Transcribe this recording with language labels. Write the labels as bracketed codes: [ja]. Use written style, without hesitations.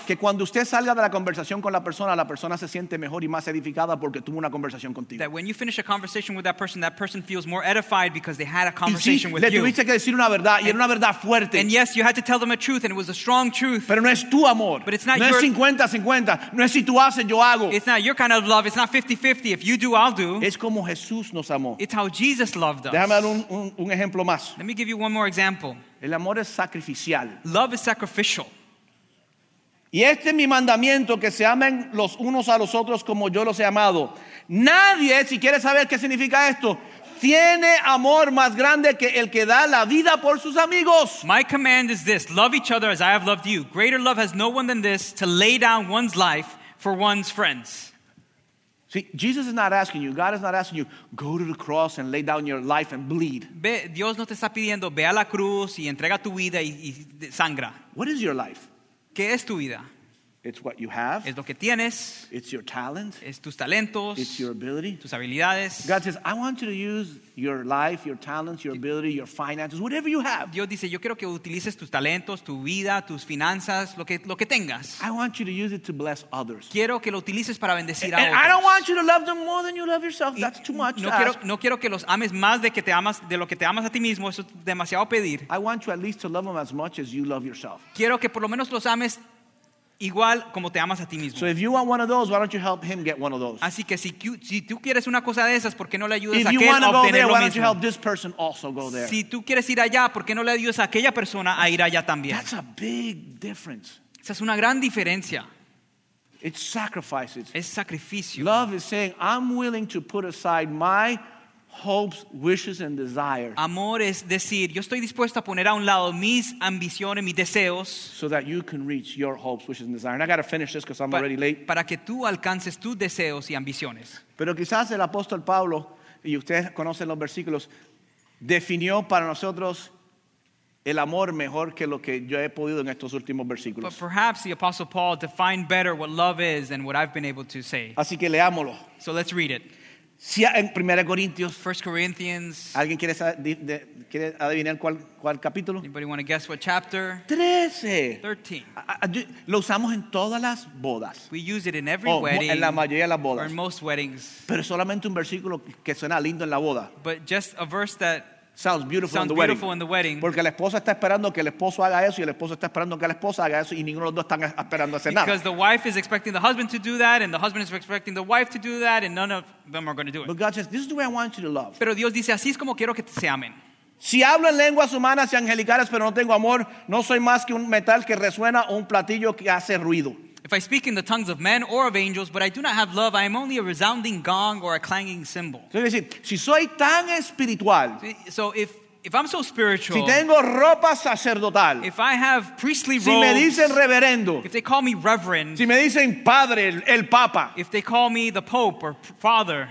[es] Que cuando usted salga de la conversación con la persona se siente mejor y más edificada porque tuvo una conversación contigo. [en] That when you finish a conversation with that person feels more edified because they had a conversation [es] y sí, [en] with you. [es] Le tuviste que decir una verdad y era una verdad fuerte. [en] And yes, you had to tell them a truth and it was a strong truth. [es] Pero no es tu amor. [en] But it's not [es] no [en] your, [es] es 50-50. No es si tú haces, yo hago. [en] It's not your kind of love. It's not 50-50. If you do, I'll do. [es] Es como Jesús nos amó. [en] It's how Jesus loved us. [es] Déjame dar un ejemplo más. [en] Let me give you one more example. [es] El amor es sacrificial. [en] Love is sacrificial. [es] Y este es mi mandamiento, que se amen los unos a los otros como yo los he amado. Nadie, si quiere saber qué significa esto, tiene amor más grande que el que da la vida por sus amigos. [en] My command is this: love each other as I have loved you. Greater love has no one than this, to lay down one's life for one's friends. See, Jesus is not asking you, God is not asking you, go to the cross and lay down your life and bleed. [es] Ve, Dios no te está pidiendo, ve a la cruz y entrega tu vida y sangra. [en] What is your life? [es] ¿Qué es tu vida? [en] It's what you have. [es] Es lo que tienes. [en] It's your talent. [es] Es tus talentos. [en] It's your ability. [es] Tus habilidades. [en] God says, I want you to use your life, your talents, your ability, your finances, whatever you have. [es] Dios dice, yo quiero que utilices tus talentos, tu vida, tus finanzas, lo que tengas. [en] I want you to use it to bless others. [es] Quiero que lo utilices para bendecir a otros. [en] I don't want you to love them more than you love yourself. That's too much. [es] No quiero que los ames más de que te amas de lo que te amas a ti mismo. Eso es demasiado pedir. [en] I want you at least to love them as much as you love yourself. [es] Quiero que por lo menos los ames igual como te amas a ti mismo. [en] So if you want one of those, why don't you help him get one of those? [es] Así que si tú quieres una cosa de esas, ¿por qué no le ayudas [en] if [es] a aquel a obtener [en] there, [es] lo mismo? [en] Why don't you help this person also go there? [es] Si tú quieres ir allá, ¿por qué no le ayudas a aquella persona a ir allá también? [en] That's a big difference. [es] Esa es una gran diferencia. [en] It's sacrifices. [es] Es sacrificio. [en] Love is saying, I'm willing to put aside my hopes, wishes, and desires. [es] Amor es decir, yo estoy dispuesto a poner a un lado mis ambiciones, mis deseos. [en] So that you can reach your hopes, wishes, and desires. And I got to finish this because I'm already late. [es] Para que tú alcances tus deseos y ambiciones. Pero quizás el apóstol Pablo, y ustedes conocen los versículos, definió para nosotros el amor mejor que lo que yo he podido en estos últimos versículos. [en] But perhaps the apostle Paul defined better what love is than what I've been able to say. [es] Así que leámoslo. [en] So let's read it. [es] Si en 1 Corintios, [en] First Corinthians, [es] ¿alguien quiere adivinar cuál capítulo? [en] Anybody want to guess what chapter? [es] 13. [en] 13. [es] Lo usamos en todas las bodas. [en] We use it in every wedding. [es] En la mayoría de las bodas. [en] Or in most weddings. [es] Pero solamente un versículo que suena lindo en la boda. [en] But just a verse that sounds beautiful, sounds in, the beautiful in the wedding. [es] Porque la esposa está esperando que el esposo haga eso y el esposo está esperando que la esposa haga eso y ninguno de los dos están esperando hacer nada. [en] Because the wife is expecting the husband to do that and the husband is expecting the wife to do that and none of them are going to do it. But God says, this is the way I want you to love. [es] Pero Dios dice, así es como quiero que se amen. Si hablo en lenguas humanas y angelicales pero no tengo amor, no soy más que un metal que resuena o un platillo que hace ruido. [en] If I speak in the tongues of men or of angels, but I do not have love, I am only a resounding gong or a clanging cymbal. [es] Es decir, si soy tan espiritual, [en] so if I'm so spiritual, [es] si tengo ropa sacerdotal, [en] if I have priestly robes, [es] si me dicen reverendo, [en] if they call me reverend, [es] si me dicen padre, el papa, [en] if they call me the pope or father,